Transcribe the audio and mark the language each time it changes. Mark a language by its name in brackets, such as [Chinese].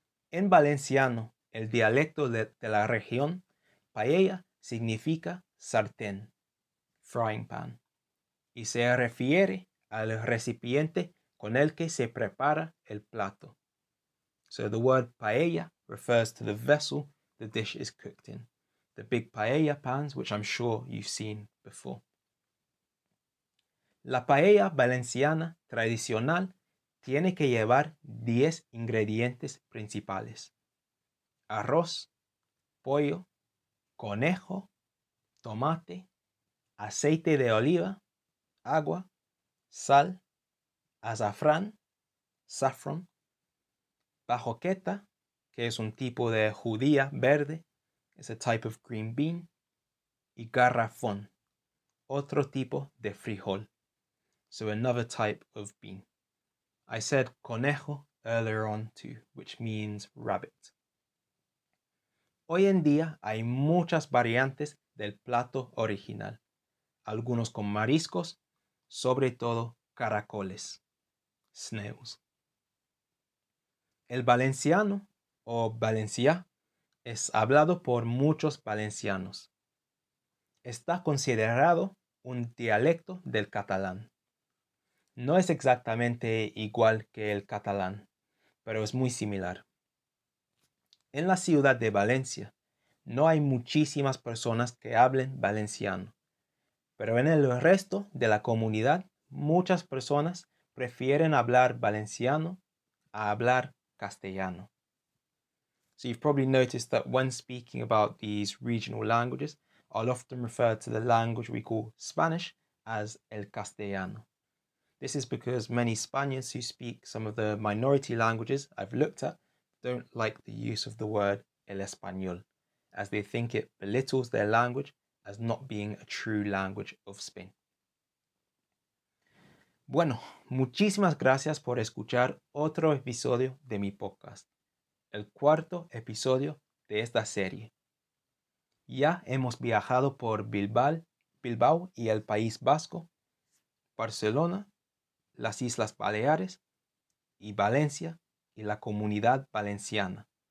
[Spanish] En valenciano, el dialecto de la región, paella significa sartén, [English] frying pan, [Spanish] y se refiere al recipiente con el que se prepara el plato. [English] So the word paella refers to the vessel the dish is cooked in, the big paella pans, which I'm sure you've seen before. [Spanish] La paella valenciana tradicional tiene que llevar 10 ingredientes principales. Arroz, pollo, conejo, tomate, aceite de oliva, agua, sal, azafrán, saffron, bajoqueta, que es un tipo de judía verde, [English] it's a type of green bean, [Spanish] y garrafón, otro tipo de frijol, [English] so another type of bean. I said conejo earlier on too, which means rabbit. [Spanish] Hoy en día hay muchas variantes del plato original. algunos con mariscos, sobre todo caracoles, snails. El valenciano o valencia es hablado por muchos valencianos. Está considerado un dialecto del catalán. No es exactamente igual que el catalán, pero es muy similar. En la ciudad de Valencia, no hay muchísimas personas que hablen valenciano, pero en el resto de la comunidad, muchas personas prefieren hablar valenciano a hablar castellano. [English] So you've probably noticed that when speaking about these regional languages, I'll often refer to the language we call Spanish as el castellano. This is because many Spaniards who speak some of the minority languages I've looked at don't like the use of the word el español, as they think it belittles their language as not being a true language of Spain. [Spanish] Bueno, muchísimas gracias por escuchar otro episodio de mi podcast, el cuarto episodio de esta serie. Ya hemos viajado por Bilbao y el País Vasco, Barcelona, las Islas Baleares y Valencia y la Comunidad Valenciana.